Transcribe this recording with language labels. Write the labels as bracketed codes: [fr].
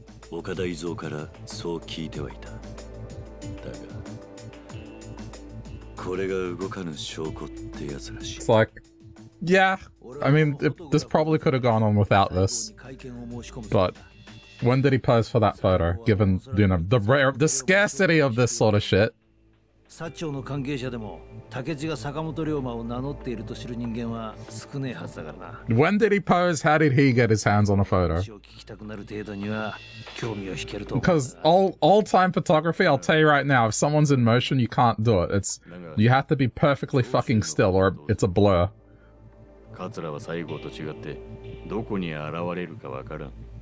[ja] 岡田伊蔵からそう聞いてはいた。だが、これが動かぬ証拠ってやつらしい。 [en] It's like, yeah, I mean, this probably could have gone on without this. But when did he pose for that photo? Given, you know, the scarcity of this sort of shit. [ja] 薩長の関係者でも竹地が坂本龍馬を名乗っていると知る人間は少ないはずだからな。 [en] When did he pose? How did he get his hands on a photo? [ja] 話を聞きたくなる程度には興味を引けると思う。 [en] Because all-time photography, I'll tell you right now, if someone's in motion, you can't do it. You have to be perfectly fucking still, or it's a blur. [ja] 桂は西郷と違ってどこに現れるかわからん。